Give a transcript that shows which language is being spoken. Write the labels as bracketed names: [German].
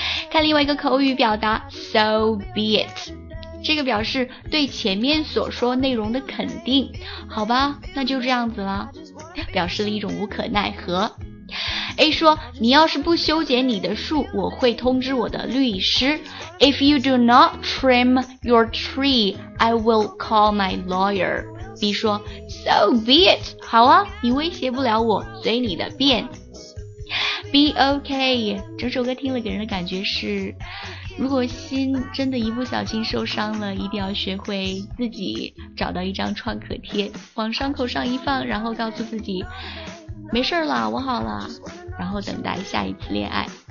[Chinese] 看另外一个口语表达 [English] So be it， [Chinese] 这个表示对前面所说内容的肯定。好吧，那就这样子了，表示了一种无可奈何。 A 说，你要是不修剪你的树，我会通知我的律师。 [English] If you do not trim your tree, I will call my lawyer. [Chinese] B 说， [English] So be it. [Chinese] 好啊，你威胁不了我，随你的便。 [English] Be OK， [Chinese] 整首歌听了给人的感觉是，如果心真的一不小心受伤了，一定要学会自己找到一张创可贴，往伤口上一放，然后告诉自己没事了，我好了，然后等待下一次恋爱。